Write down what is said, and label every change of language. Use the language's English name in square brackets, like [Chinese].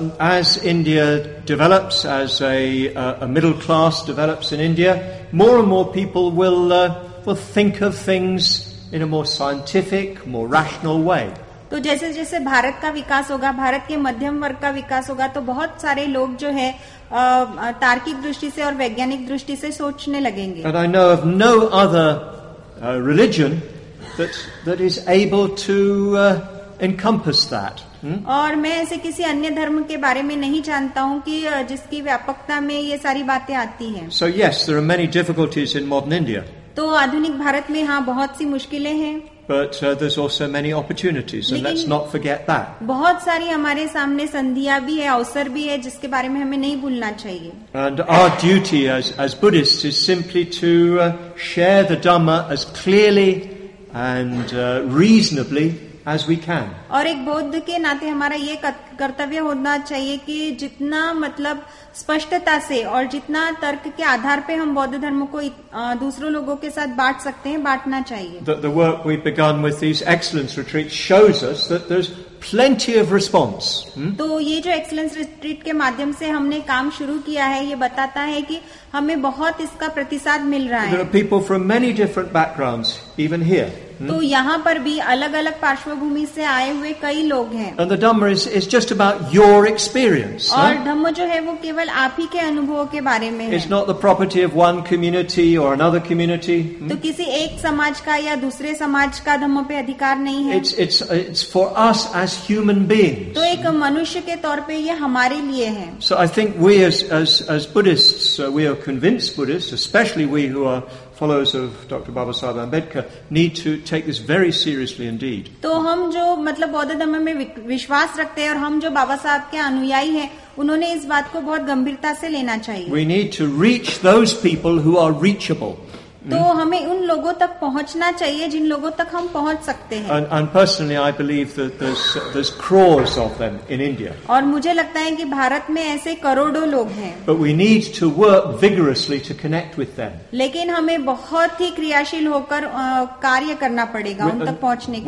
[English] As India develops, as a middle class develops in India, more and more people will think of things in a more scientific, more rational way. [Hindi] तो जैसे जैसे भारत का विकास होगा, भारत के मध्यम वर्ग का विकास होगा, तो बहुत सारे लोग जो है तार्किक दृष्टि से और वैज्ञानिक दृष्टि से सोचने लगेंगे. [English] But I know of no other religion that is able to encompass that. [Hindi] और मैं ऐसे किसी अन्य धर्म के बारे में नहीं जानता हूँ कि जिसकी व्यापकता में ये सारी बातें आती हैं. [English] So yes, there are many difficulties in modern India. [Hindi] तो आधुनिक भारत में हाँ बहुत सी मुश्किलें हैं. [English] But there's also many opportunities, and let's not forget that. [Hindi] बहुत सारी हमारे सामने संधियां भी है, अवसर भी है, जिसके बारे में हमें नहीं भूलना चाहिए. [English] And our duty as Buddhists is simply to share the Dhamma as clearly and reasonably as we can. [Hindi] और एक बौद्ध के नाते हमारा ये कर्तव्य होना चाहिए कि जितना मतलब स्पष्टता से और जितना तर्क के आधार पे हम बौद्ध धर्म को दूसरों लोगों के साथ बांट सकते हैं बांटना चाहिए. [English] The work we've begun with these excellence retreats shows us that there's plenty of response. [Hindi] तो ये जो excellence retreat के माध्यम से हमने काम शुरू किया है ये बताता है कि हमें बहुत इसका प्रतिसाद मिल रहा है. [English] There are people from many different backgrounds, even here. [Hindi] तो यहाँ पर भी अलग अलग पार्श्वभूमि से आए हुए कई लोग हैं. [English] And the Dhamma is just about your experience. [Hindi] और धम्म जो है वो केवल आप ही के अनुभवों के बारे में है. [English] It's not the property of one community or another community. [Hindi] तो किसी एक समाज का या दूसरे समाज का धम्म पे अधिकार नहीं है. [English] It's for us as human beings. [Hindi] तो एक मनुष्य के तौर पे ये हमारे लिए है. [English] So I think we as Buddhists, we are convinced Buddhists, especially we who are followers of Dr. Babasaheb Ambedkar, need to take this very seriously indeed. [Hindi] तो हम जो मतलब बौद्ध धर्म में विश्वास रखते हैं और हम जो बाबा साहब के अनुयायी हैं, उन्होंने इस बात को बहुत गंभीरता से लेना चाहिए. [English] We need to reach those people who are reachable. [Hindi] तो हमें उन लोगों तक पहुंचना चाहिए जिन लोगों तक हम पहुंच सकते हैं. [English] And personally, I believe that there's crores of them in India. [Hindi] और मुझे लगता है कि भारत में ऐसे करोड़ों लोग हैं. [English] But we need to work vigorously to connect with them. [Hindi] लेकिन हमें बहुत ही क्रियाशील होकर कार्य करना पड़ेगा उन तक पहुंचने के.